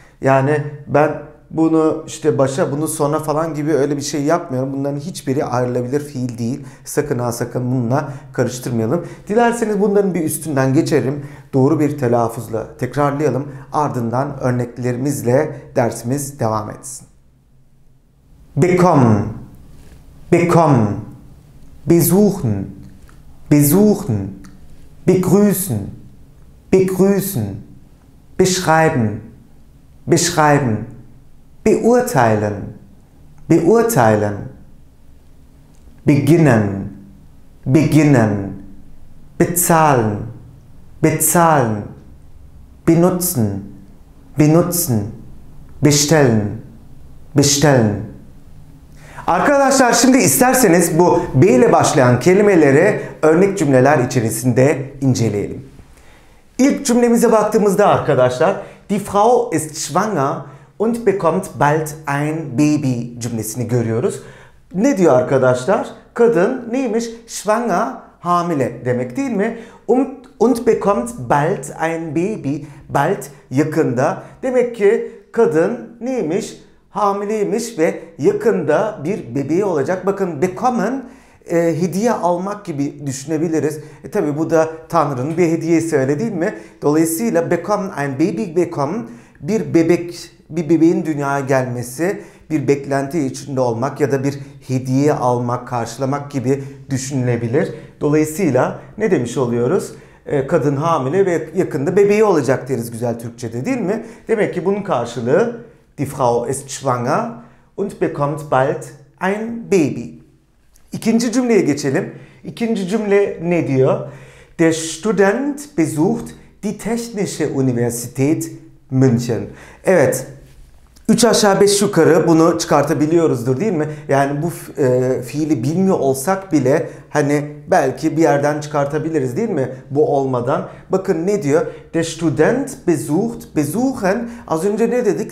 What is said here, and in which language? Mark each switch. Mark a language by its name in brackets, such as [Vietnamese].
[Turkish] Yani ben bunu işte başa, bunu sona falan gibi öyle bir şey yapmıyorum. Bunların hiçbiri ayrılabilir fiil değil. Sakın ha sakın bununla karıştırmayalım. Dilerseniz bunların bir üstünden geçerim. Doğru bir telaffuzla tekrarlayalım. Ardından örneklerimizle dersimiz devam etsin. [German] Bekommen, besuchen, besuchen, begrüßen, begrüßen, beschreiben, beschreiben, beurteilen, beurteilen, beginnen, beginnen, bezahlen, bezahlen, benutzen, benutzen, bestellen, bestellen. [Turkish] Arkadaşlar şimdi isterseniz bu B ile başlayan kelimeleri örnek cümleler içerisinde inceleyelim. İlk cümlemize baktığımızda arkadaşlar [German] Die Frau ist schwanger und bekommt bald ein Baby [Turkish] cümlesini görüyoruz. Ne diyor arkadaşlar? Kadın neymiş? Schwanger, hamile demek değil mi? [German] Und bekommt bald ein Baby, bald yakında. [Turkish] Demek ki kadın neymiş? Hamileymiş ve yakında bir bebeği olacak. Bakın bekommen, hediye almak gibi düşünebiliriz. Tabi bu da Tanrı'nın bir hediyesi öyle değil mi? Dolayısıyla bekommen, [German] ein Baby bekommen, [Turkish] bir bebek, bir bebeğin dünyaya gelmesi, bir beklenti içinde olmak ya da bir hediye almak, karşılamak gibi düşünülebilir. Dolayısıyla ne demiş oluyoruz? Kadın hamile ve yakında bebeği olacak deriz güzel Türkçe'de değil mi? Demek ki bunun karşılığı [German] Die Frau ist schwanger und bekommt bald ein Baby. [Turkish] İkinci cümleye geçelim. İkinci cümle ne diyor? [German] Der Student besucht die Technische Universität München. [Turkish] Evet, 3 aşağı 5 yukarı bunu çıkartabiliyoruzdur değil mi? Yani bu fiili bilmiyor olsak bile hani belki bir yerden çıkartabiliriz değil mi bu olmadan? Bakın ne diyor? [German] Der Student besucht, [Turkish] besuchen, az önce ne dedik?